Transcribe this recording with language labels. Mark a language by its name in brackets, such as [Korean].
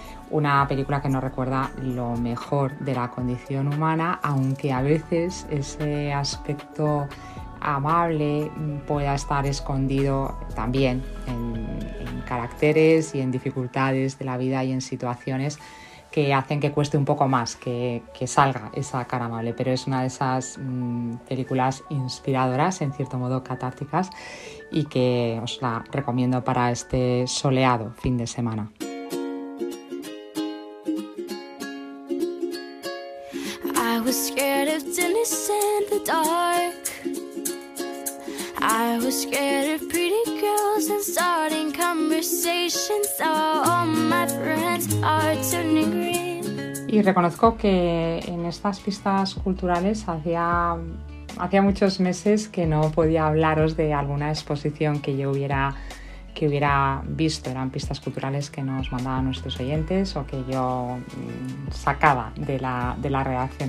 [Spanish] Una película que nos recuerda lo mejor de la condición humana, aunque a veces ese aspecto amable pueda estar escondido también en caracteres y en dificultades de la vida y en situaciones que hacen que cueste un poco más que salga esa cara amable. Pero es una de esas películas inspiradoras, en cierto modo catárticas, y que os la recomiendo para este soleado fin de semana. [English] I was scared of Dennis in the dark. I was scared of pretty girls and starting conversations. All my friends are turning green. [Spanish] Y reconozco que en estas pistas culturales hacía muchos meses que no podía hablaros de alguna exposición que yo hubiera visto. Eran pistas culturales que nos mandaban nuestros oyentes o que yo sacaba de la redacción.